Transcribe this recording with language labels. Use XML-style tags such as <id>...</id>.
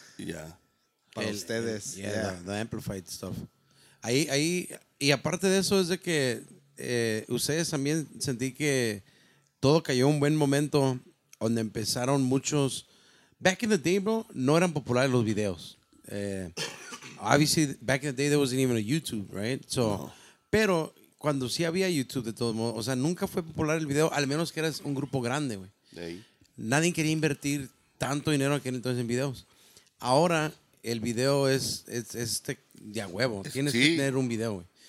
<es>Ya. Para ustedes.</es> <en>The amplified stuff.</en> <es>Ahí, y aparte de eso es de que ustedes también sentí que todo cayó un buen momento donde empezaron muchos.</es> <en>Back in the day,</en> <es>bro, no eran populares los videos.</es> <en>Obviously, back in the day, there wasn't even a YouTube, right? So, no.</en> <es>Pero cuando sí había YouTube, de todos modos, o sea, nunca fue popular el video, al menos que eras un grupo grande, güey.</es> <en>Hey.</en> <es>Nadie quería invertir tanto dinero aquel entonces en videos. Ahora, el video es de a huevo. Tienes sí. que tener un video, güey.</es>